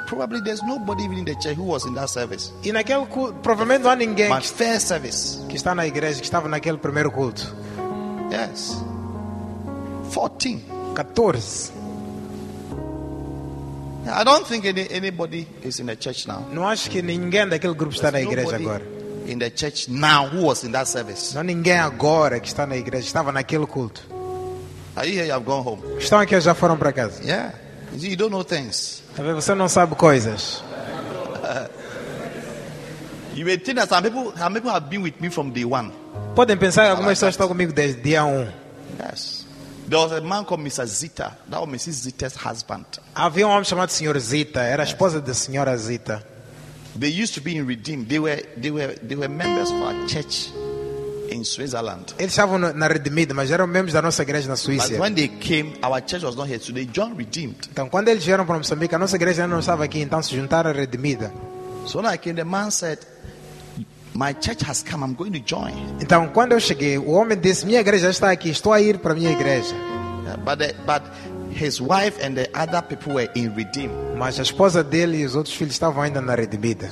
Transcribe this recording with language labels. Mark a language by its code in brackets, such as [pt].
[en] Probably there's nobody even in the church who was in that service. [pt] E naquele culto, provavelmente não há ninguém. [en] My first service. [pt] Que está na igreja, que estava naquele primeiro culto. [en] Yes. 14. [pt] 14. [en] I don't think anybody is in the church now. [pt] Não acho que ninguém daquele grupo está na igreja agora. [en] In the church now who was in that service. [pt] Não ninguém agora que está na igreja, estava naquele culto. [en] Are you here? I've gone home. [pt] Estão aqui, já foram para casa. [en] Yeah. You see, you don't know things. [pt] Talvez você não sabe coisas. [en] You may think that some people have been with me from day one. [pt] Podem pensar que algumas pessoas estão comigo desde dia 1. [en] Yes. There was a man called Mr. Zita. That was Mrs. Zita's husband. [pt] Havia um homem chamado Sr. Zita. Era a esposa da Sra. Zita. [en] They used to be in Redeem. They were members of our church in Switzerland. [pt] Eles estavam na Redimida, mas eram membros da nossa igreja na Suíça. [en] But when they came, our church was not here, so they joined Redeemed. [pt] Então, quando eles vieram para Moçambique, a nossa igreja não estava aqui, então se juntaram à Redimida. [en] So when I came, the man said, "My church has come. I'm going to join." [pt] Então, quando eu cheguei, o homem disse: "Minha igreja está aqui. Estou a ir para minha igreja." [en] Yeah, but his wife and the other people were in Redeem. [pt] Mas a esposa dele e os outros filhos estavam ainda na Redimida.